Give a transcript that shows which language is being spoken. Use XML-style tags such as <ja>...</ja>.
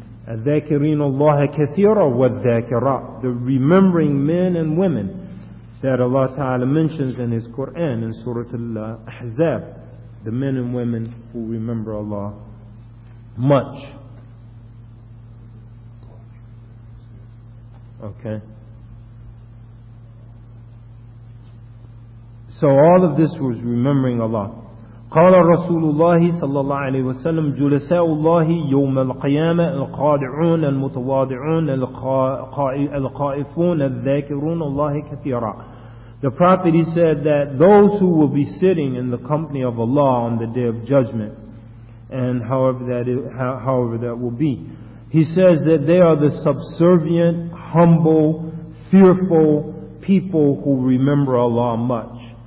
<ar>Al-dhakirin Allah kathira wa dhakira.</ar> <en>The remembering men and women that Allah Ta'ala mentions in His Quran in Surah Al-Ahzab. The men and women who remember Allah much. Okay. So all of this was remembering Allah.</en> <ar>قال رسول الله صلى الله عليه وسلم جلساء الله يوم القيامة القادعون المتواضعون القائفون الذاكرون الله كثيرا.</ar> <en>The Prophet, he said that those who will be sitting in the company of Allah on the Day of Judgment, and however that will be, he says that they are the subservient, humble, fearful people who remember Allah much.</en>